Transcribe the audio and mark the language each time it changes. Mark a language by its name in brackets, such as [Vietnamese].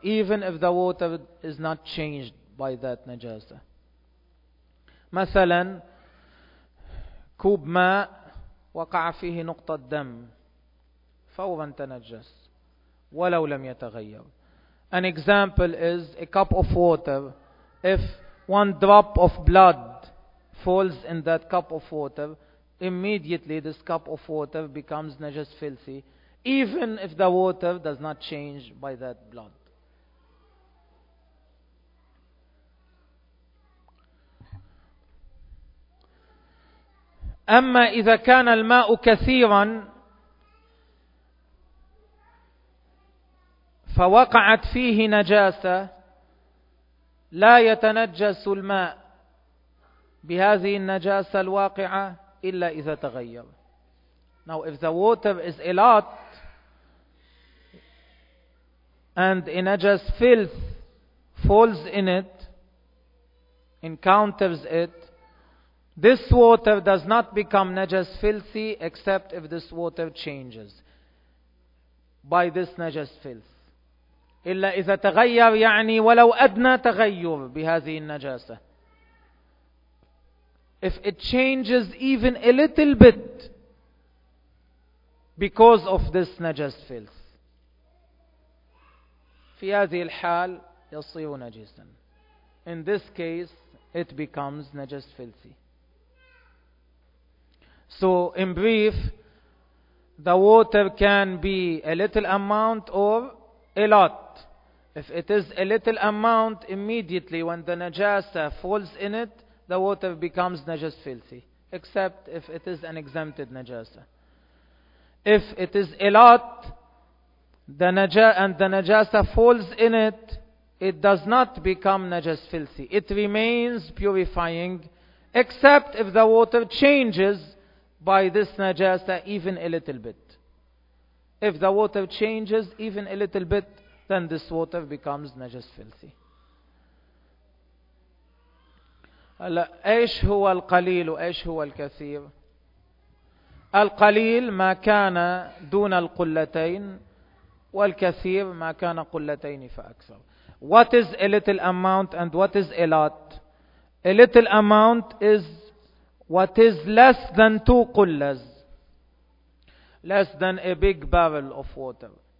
[English] Even if the water is not changed by that najasa. [Arabic] مثلا كوب ماء وقع فيه نقطة دم فورا تنجس ولو لم يتغير. [English] An example is a cup of water. If one drop of blood falls in that cup of water, immediately this cup of water becomes najas filthy, even if the water does not change by that blood. [Arabic] أما إذا كان الماء كثيرا فوقعت فيه نجاسة لا يتنجس الماء بهذه النجاسة الواقعة إلا إذا تغير. [English] Now if the water is a lot and a najas filth falls in it, encounters it, this water does not become najas filthy except if this water changes by this najas filth. [Arabic] إلا إذا تغير يعني ولو أدنى تغير بهذه النجاسة. [English] If it changes even a little bit because of this najas filth, [Arabic] في هذه الحال يصير نجسا. [English] In this case, it becomes najas filthy. So, in brief, the water can be a little amount or a lot. If it is a little amount, immediately when the najasa falls in it, the water becomes najas filthy, except if it is an exempted najasa. If it is a lot, the najasa falls in it, it does not become najas filthy. It remains purifying, except if the water changes by this najasa even a little bit. If the water changes even a little bit, then this water becomes najas filthy. [Arabic] هلا ايش هو القليل وايش هو الكثير؟ القليل ما كان دون القلتين، والكثير ما كان قلتين فاكثر. [English] What is a little amount and what is a lot? A little amount is what is less than two qullas, less than a big barrel of water.